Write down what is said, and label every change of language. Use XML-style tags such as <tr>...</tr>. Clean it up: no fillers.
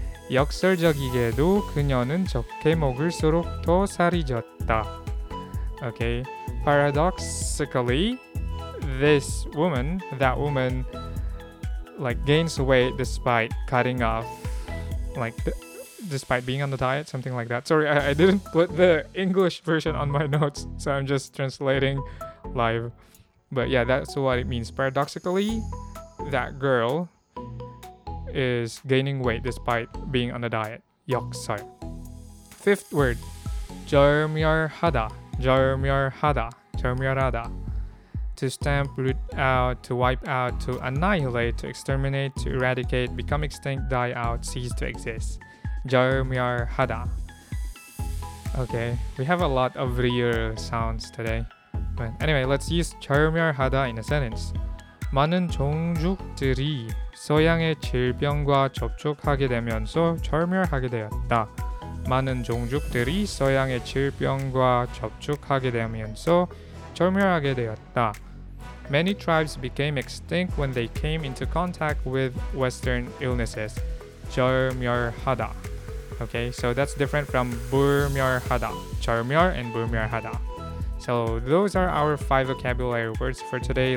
<ko>역설적이게도 그녀는 적게 먹을수록 더 살이 쪘다.</ko> <en>Okay, paradoxically, this woman, that woman, like gains weight despite cutting off, like despite being on the diet, something like that. Sorry, I didn't put the English version on my notes, so I'm just translating live. But yeah, that's what it means. Paradoxically, that girl is gaining weight despite being on a diet. 역설.</en> <ko>Fifth word, 절멸하다. 절멸하다. 절멸하다.</ko> <en>To stamp, root out, to wipe out, to annihilate, to exterminate, to eradicate, become extinct, die out, cease to exist. 절멸하다. Okay, we have a lot of real sounds today. But anyway, let's use 절멸하다 in a sentence.</en> <ko>많은 종족들이 서양의 질병과 접촉하게 되면서 절멸하게 되었다. 많은 종족들이 서양의 질병과 접촉하게 되면서 절멸하게 되었다.</ko> <en>Many tribes became extinct when they came into contact with Western illnesses. 절멸하다. Okay, so that's different from 불멸하다.</en> <ko>절멸 and 불멸하다.</ko> <en>So those are our five vocabulary words for today.</en>